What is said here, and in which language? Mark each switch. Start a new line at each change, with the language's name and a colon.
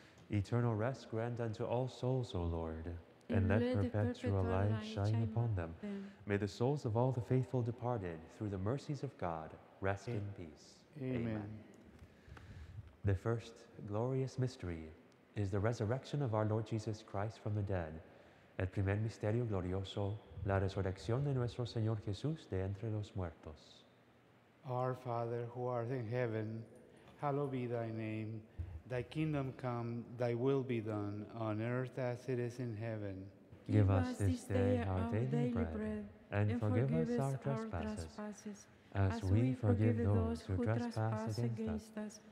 English: Eternal rest grant unto all souls, O Lord, and let perpetual light shine upon them. May the souls of all the faithful departed, through the mercies of God, rest in peace. Amen. The first glorious mystery is the resurrection of our Lord Jesus Christ from the dead.
Spanish: El primer misterio glorioso, la resurrección de nuestro Señor Jesús de entre los muertos.
English: Our Father, who art in heaven, hallowed be thy name. Thy kingdom come, thy will be done, on earth as it is in heaven. Give us this day our daily bread, and forgive us our trespasses, as we forgive those who trespass against us.